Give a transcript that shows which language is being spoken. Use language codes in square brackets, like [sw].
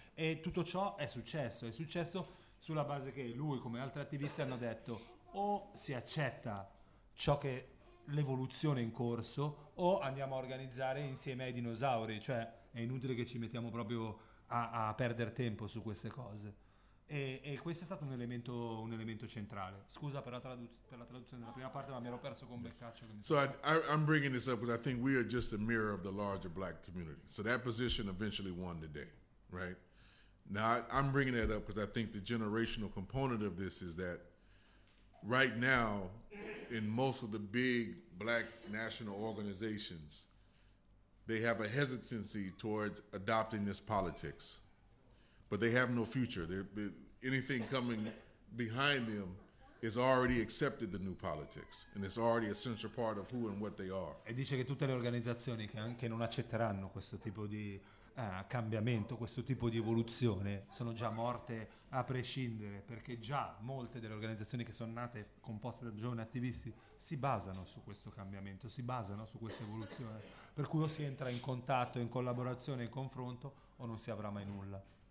[it] E tutto ciò è successo sulla base che lui, come altri attivisti, hanno detto: o si accetta ciò che l'evoluzione in corso, o andiamo a organizzare insieme ai dinosauri. Cioè è inutile che ci mettiamo proprio a perdere tempo su queste cose. E questo è stato un elemento centrale. Scusa per la traduzione della prima parte, ma mi ero perso con Beccaccio. [en] So I'm bringing this up because I think we are just a mirror of the larger black community. So that position eventually won the day, right? Now I'm bringing that up because I think the generational component of this is that right now, in most of the big black national organizations, they have a hesitancy towards adopting this politics, but they have no future. Anything coming behind them has already accepted the new politics, and it's already a central part of who and what they are. [it] E dice che tutte le organizzazioni che non accetteranno questo tipo di cambiamento, questo tipo di evoluzione, sono già morte a prescindere, perché già molte delle organizzazioni che sono nate, composte da giovani attivisti, si basano su questo cambiamento, si basano su questa evoluzione, per cui o si entra in contatto, in collaborazione, in confronto, o non si avrà mai nulla.